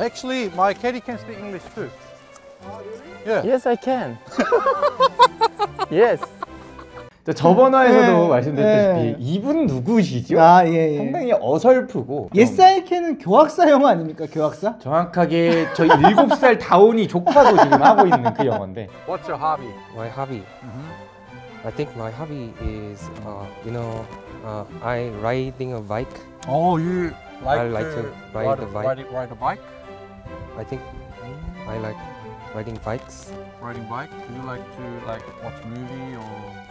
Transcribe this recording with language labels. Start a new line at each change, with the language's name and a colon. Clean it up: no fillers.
English: Actually, my caddy can speak English too. Oh, really? Yeah. Yes, I can. Yes.
Korean: 저번 화에서도 네, 말씀드렸듯이 네. 이분 누구시죠? 아, 예, 예. 상당히 어설프고.
English: Yes, I can
Korean: 은 교학사 영어 아닙니까? 교학사? 정확하게 저희 7살 다온이 조카도 지금 하고 있는 그 영어인데.
English: What's your hobby? My hobby? Mm-hmm. I think my hobby is, you know, I riding a bike. Oh, you like, I like to ride a bike? I think I like riding bikes. Riding bike? Do you like to like watch movie or...?